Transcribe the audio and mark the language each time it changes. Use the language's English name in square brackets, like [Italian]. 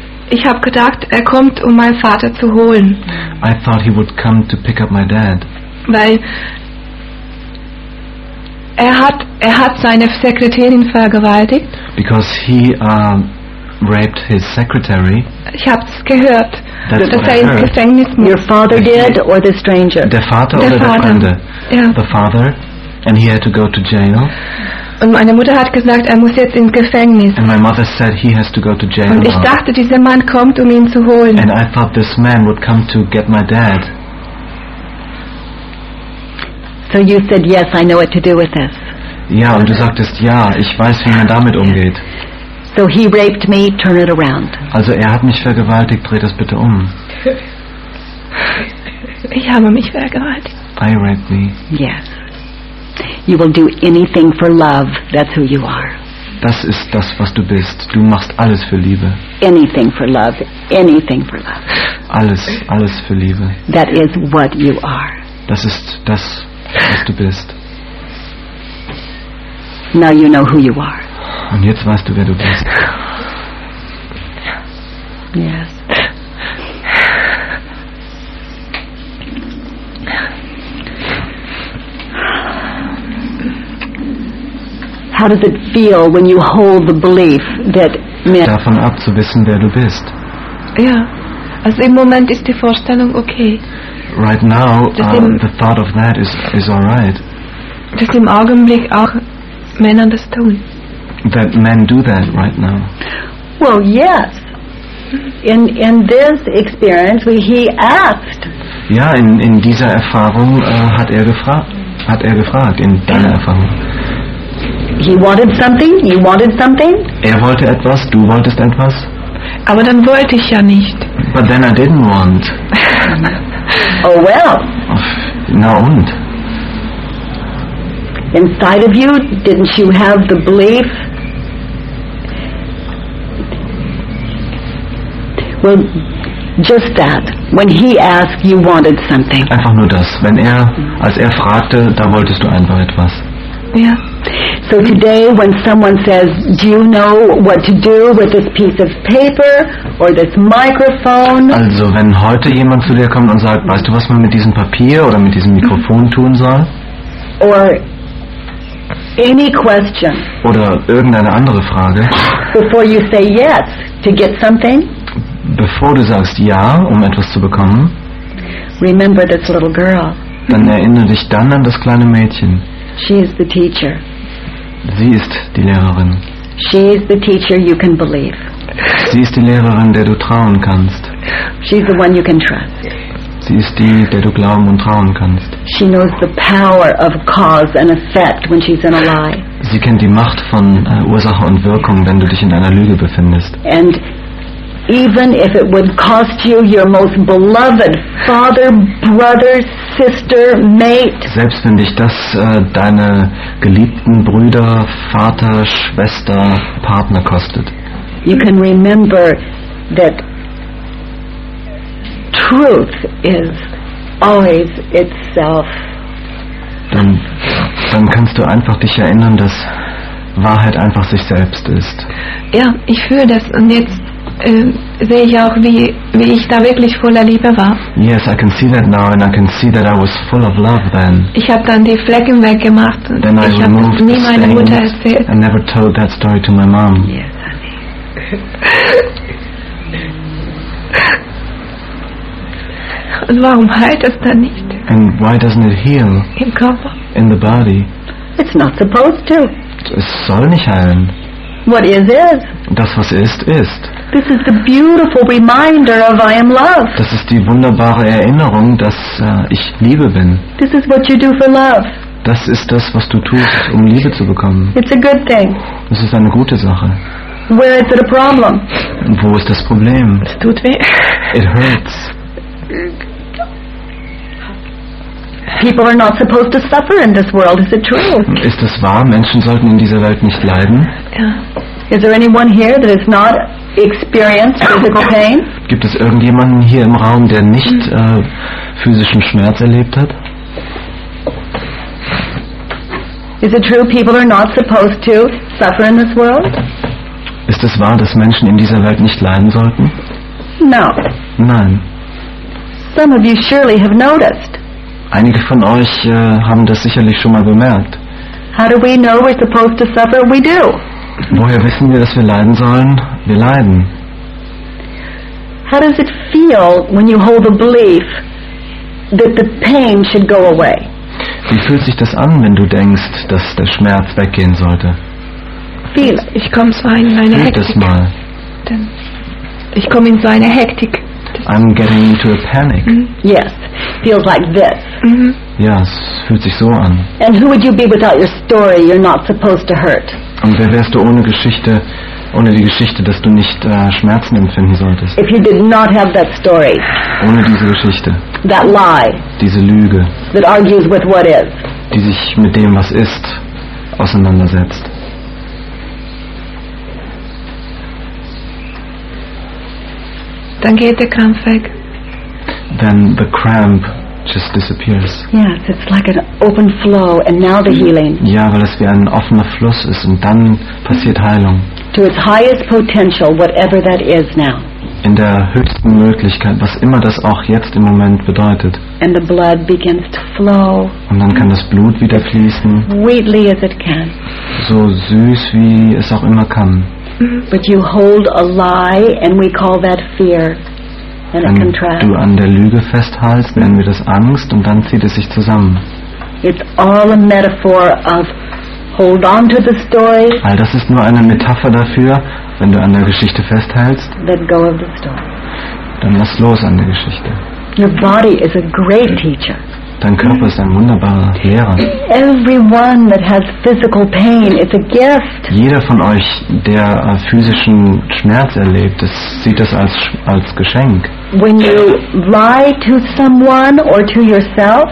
[German] Ich habe gedacht, er kommt, um meinen Vater zu holen. [English] I thought he would come to pick up my dad. [German] Weil er hat seine Sekretärin vergewaltigt. [English] Because he raped his secretary. [German] Ich hab's gehört. [English] That's what I heard. Your father did or the stranger? [German] Der Vater oder der Fremde? [English] Yeah. The father. And he had to go to jail. [German] Und meine Mutter hat gesagt, er muss jetzt ins Gefängnis. [English] And my mother said he has to go to jail. [German] Und ich dachte, dieser Mann kommt, um ihn zu holen. [English] And I thought this man would come to get my dad. So you said, yes, I know what to do with this. [German] Ja, und du sagtest, ja, ich weiß, wie man damit umgeht. [English] So he raped me, turn it around. [German] Also er hat mich vergewaltigt, dreh das bitte um. Ich habe mich vergewaltigt. [English] I raped me. Yes. You will do anything for love, that's who you are. [German] Das ist das, was du bist. Du machst alles für Liebe. [English] Anything for love, anything for love. [German] Alles, alles für Liebe. [English] That is what you are. [German] Das ist das, was du bist. [English] Now you know who you are. [German] Und jetzt weißt du, wer du bist. [English] Yes. How does it feel when you hold the belief that men? [German] Davon ab zu wissen, wer du bist. Ja, also im Moment ist die Vorstellung okay. [English] Right now, the thought of that is all right. [German] Dass im Augenblick auch Männer das tun. [English] That men do that right now. Well, yes. In this experience, he asked. [German] Ja, in dieser Erfahrung hat er gefragt in deiner Erfahrung. [English] He wanted something. You wanted something. [German] Er wollte etwas. Du wolltest etwas. Aber dann wollte ich ja nicht. [English] But then I didn't want. Oh well. [German] Na und? [English] Inside of you, didn't you have the belief? Well, just that. When he asked, you wanted something. [German] Einfach nur das. Wenn er, als er fragte, da wolltest du einfach etwas. Ja. [English] So today, when someone says, do you know what to do with this piece of paper or this microphone? [German] Also, wenn heute jemand zu dir kommt und sagt, weißt du, was man mit diesem Papier oder mit diesem Mikrofon tun soll? [English] Or any question. [German] Oder irgendeine andere Frage. [English] Before you say yes to get something. [German] Bevor du sagst ja, um etwas zu bekommen. [English] Remember this little girl. [German] Dann erinnere dich dann an das kleine Mädchen. [English] She is the teacher. [German] Sie ist die Lehrerin. [English] She is the teacher you can believe. [German] Sie ist die Lehrerin, der du trauen kannst. [English] She is the one you can trust. [German] Sie ist die, der du glauben und trauen kannst. [English] She knows the power of cause and effect when she's in a lie. [German] Sie kennt die Macht von Ursache und Wirkung, wenn du dich in einer Lüge befindest. [English] And even if it would cost you your most beloved father, brother, sister, mate. [German] Selbst wenn dich das deine geliebten Brüder, Vater, Schwester, Partner kostet. [English] You can remember that truth is always itself. [German] Dann kannst du einfach dich erinnern, dass Wahrheit einfach sich selbst ist. Ja, ich fühle das und jetzt sehe ich auch, wie ich da wirklich voller Liebe war. [English] Yes, I can see that now and I can see that I was full of love then. [German] Ich habe dann die Flecken weggemacht und [English] then [German] ich habe nie [English] stains, [German] meine Mutter erzählt. [English] I never told that story to my mom. Yes, honey. [German] Und warum heilt es dann nicht? [English] And why doesn't it heal? [German] Im Körper. [English] In the body. It's not supposed to. [German] Es soll nicht heilen. [English] What is, is. [German] Das, was ist, ist. [English] This is the beautiful reminder of I am love. [German] Das ist die wunderbare Erinnerung, dass ich Liebe bin. [English] This is what you do for love. [German] Das ist das, was du tust, um Liebe zu bekommen. [English] It's a good thing. [German] Das ist eine gute Sache. [English] Where is it a problem? [German] Wo ist das Problem? Es tut weh. [English] It hurts. People are not supposed to suffer in this world. Is it true? [German] Ist das wahr? Menschen sollten in dieser Welt nicht leiden? [English] Yeah. Is there anyone here that is not experienced physical pain? [German] Gibt es irgendjemanden hier im Raum, der nicht physischen Schmerz erlebt hat? [English] Is it true people are not supposed to suffer in this world? [German] Ist es wahr, dass Menschen in dieser Welt nicht leiden sollten? [English] No. [German] Nein. [English] Some of you surely have noticed. [German] Einige von euch haben das sicherlich schon mal bemerkt. [English] How do we know we're supposed to suffer? We do. [German] Woher wissen wir, dass wir leiden sollen? Wir leiden. [English] How does it feel when you hold a belief that the pain should go away? [German] Wie fühlt sich das an, wenn du denkst, dass der Schmerz weggehen sollte? [English] Feel. [German] Ich komme so in meine Hektik. Fühl das mal. Ich komme in so eine Hektik. [English] I'm getting into a panic. Yes. Feels like this. Mm-hmm. [German] Ja, es fühlt sich so an. [English] And who would you be without your story you're not supposed to hurt? [German] Und wer wärst du ohne Geschichte, ohne die Geschichte, dass du nicht Schmerzen empfinden solltest? [English] If you did not have that story. [German] Ohne diese Geschichte. [English] That lie. [German] Diese Lüge. [English] That argues with what is. [German] Die sich mit dem, was ist, auseinandersetzt. Dann geht der Krampf weg. [English] Then the cramp just disappears. Yes, it's like an open flow, and now the healing. [German] Ja, weil es wie ein offener Fluss ist, und dann passiert Heilung. [English] To its highest potential, whatever that is now. [German] In der höchsten Möglichkeit, was immer das auch jetzt im Moment bedeutet. [English] And the blood begins to flow. [German] Und dann kann das Blut wieder fließen. [English] Sweetly as it can. [German] So süß wie es auch immer kann. [English] But you hold a lie, and we call that fear. [German] Wenn du an der Lüge festhältst, nennen wir das Angst, und dann zieht es sich zusammen. [English] It's all a metaphor of hold on to the story. [German] All das ist nur eine Metapher dafür, wenn du an der Geschichte festhältst. [English] Let go of the story. [German] Dann lass los an der Geschichte. [English] Your body is a great teacher. [German] Dein Körper ist ein wunderbarer Lehrer. [English] Everyone that has physical pain, it's a gift. [German] Jeder von euch, der physischen Schmerz erlebt, das sieht das als Geschenk. [English] When you lie to someone or to yourself,